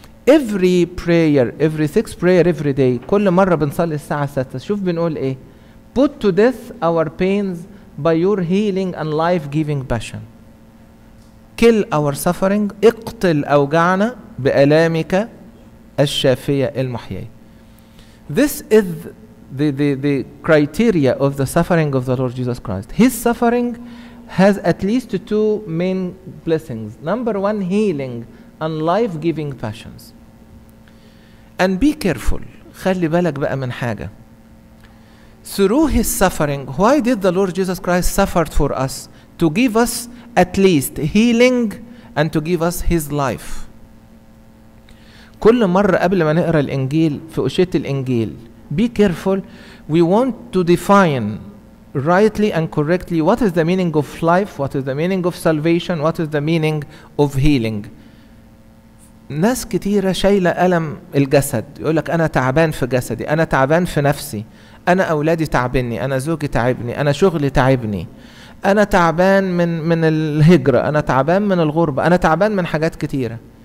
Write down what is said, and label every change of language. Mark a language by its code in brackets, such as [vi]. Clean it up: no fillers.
[en] Every prayer, every sixth prayer, every day, [ar] كل مرة بنصلي الساعة ستة, شوف بنقول إيه؟ [en] Put to death our pains by your healing and life-giving passion. Kill our suffering. [ar] اقتل أوجعنا بألامك الشافية المحيي. [en] This is the criteria of the suffering of the Lord Jesus Christ. His suffering has at least two main blessings. Number one, healing and life-giving passions. And be careful. [ar] خلي بالك بقى من حاجة. [en] Through his suffering, why did the Lord Jesus Christ suffer for us? To give us at least healing and to give us his life. [ar] كل مرة قبل ما نقرأ الإنجيل في أشيت الإنجيل, [en] be careful. We want to define rightly and correctly what is the meaning of life, what is the meaning of salvation, what is the meaning of healing. [ar] ناس كتيرة شايلة ألم الجسد, يقولك أنا تعبان في جسدي, أنا تعبان في نفسي, أنا أولادي تعبني, أنا زوجي تعبني, أنا شغلي تعبني, أنا تعبان من الهجرة, أنا تعبان من الغربة, أنا تعبان من حاجات كتيرة.